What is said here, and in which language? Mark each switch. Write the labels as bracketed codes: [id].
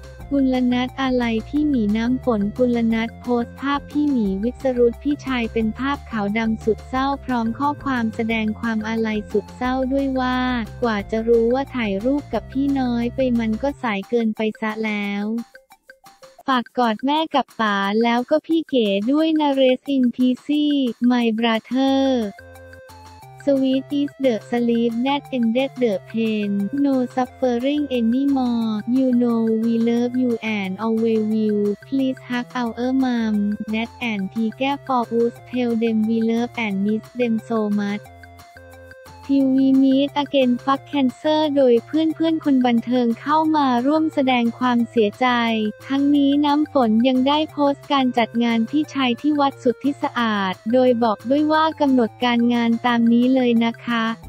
[th] กุลนัทอาลัยพี่หมีน้ำฝนกุลนัทโพสต์ภาพพี่หมีวิษรุตพี่ชายเป็นภาพขาวดำสุดเศร้าพร้อมข้อความแสดงความอาลัยสุดเศร้าด้วยว่ากว่าจะรู้ว่าถ่ายรูปกับพี่น้อยไปมันก็สายเกินไปซะแล้วฝากกอดแม่กับป๋าแล้วก็พี่เก๋ด้วยนะ [en] เรสอินพีซี่ my brotherSweet is the sleep that ended the pain. No suffering anymore. You know we love you and always will. Please hug our mom, dad and Tiger for us. Tell them we love and miss them so much. [th] TV [en] Meet Again Fuck Cancer [th] โดยเพื่อนๆคนบันเทิงเข้ามาร่วมแสดงความเสียใจทั้งนี้น้ำฝนยังได้โพสต์การจัดงานพี่ชายที่วัดสุทธิสะอาดโดยบอกด้วยว่ากำหนดการงานตามนี้เลยนะคะ